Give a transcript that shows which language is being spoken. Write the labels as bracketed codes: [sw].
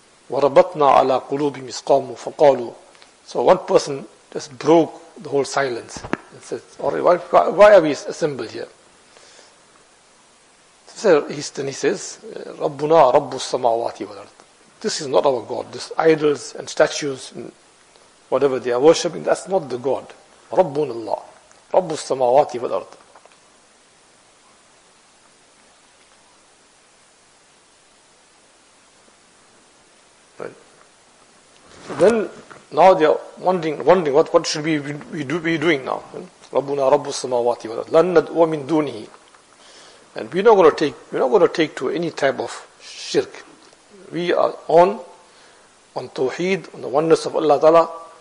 [ar] وَرَبَطْنَا عَلَىٰ قُلُوبِهِمْ إِسْقَامُوا فَقَالُوا [en] So one person just broke the whole silence and said, alright, why are we assembled here? Then he says, [ar] رَبُّنَا رَبُّ السَّمَاوَاتِ وَالْأَرْضِ [en] This is not our God. This idols and statues and whatever they are worshipping, that's not the God. [ar] رَبُّنَ اللَّهِ رَبُّ السَّمَاوَاتِ وَالْأَرْضِ [en] Right. So then, now they are wondering what should we be doing now? [ar] رَبُّنَا رَبُّ السَّمَاوَاتِ وَالْأَرْضِ لَنْ نَدْعُوَ مِنْ دُونِهِ [en] And we're not going to take to any type of shirk. We are on Tawheed, on the oneness of Allah Ta'ala.